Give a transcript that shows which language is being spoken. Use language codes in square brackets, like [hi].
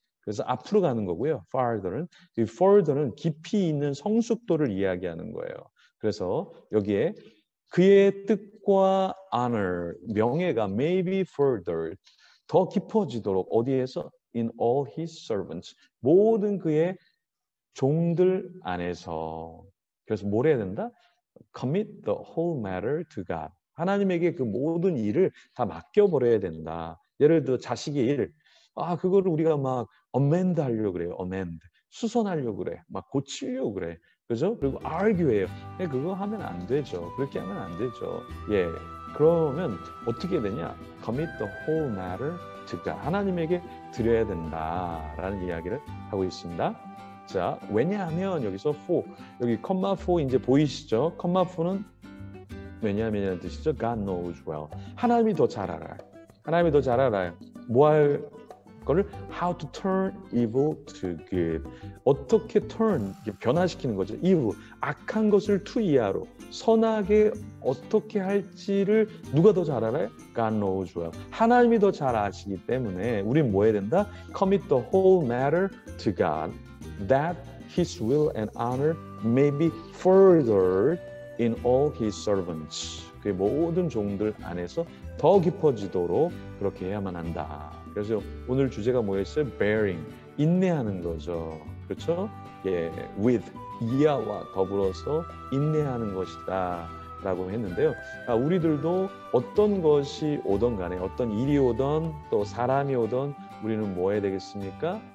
[ko] 그래서 앞으로 가는 거고요. farther는, 이 further는 깊이 있는 성숙도를 이야기하는 거예요. 그래서 여기에 그의 뜻과 honor, 명예가 may be furthered, 더 깊어지도록, 어디에서? [en] in all his servants, 모든 그의 종들 안에서. [ko] 그래서 뭘 해야 된다? [en] Commit the whole matter to God. [ko] 하나님에게 그 모든 일을 다 맡겨버려야 된다. 예를 들어 자식의 일, 아 그거를 우리가 막 amend 하려고 그래요. amend 수선하려고 그래. 막 고치려고 그래. 그죠? 그리고 argue 해요. 예, 그거 하면 안 되죠. 그렇게 하면 안 되죠. 예. 그러면 어떻게 되냐? [en] Commit the whole matter to God. [ko] 하나님에게 드려야 된다라는 이야기를 하고 있습니다. 자, 왜냐하면 여기서 4, 여기 콤마 4 이제 보이시죠? 콤마 4는 왜냐하면이라는 뜻이죠? God knows well. 하나님이 더잘 알아요. 하나님이 더잘 알아요. [en] 뭐할 거를? How to turn evil to good. [ko] 어떻게 turn, 변화시키는 거죠. evil, 악한 것을 to 이하로. 선하게 어떻게 할지를 누가 더잘 알아요? [en] God knows well. [ko] 하나님이 더잘 아시기 때문에 우린 뭐 해야 된다? [en] Commit the whole matter to God. That his will and honor may be furthered in all his servants. [ko] 그 모든 종들 안에서 더 깊어지도록 그렇게 해야만 한다. 그래서 오늘 주제가 뭐였어요? Bearing, 인내하는 거죠. 그렇죠? 예, with, 이하와 더불어서 인내하는 것이다 라고 했는데요. 아, 우리들도 어떤 것이 오든 간에, 어떤 일이 오든 또 사람이 오든 우리는 뭐 해야 되겠습니까?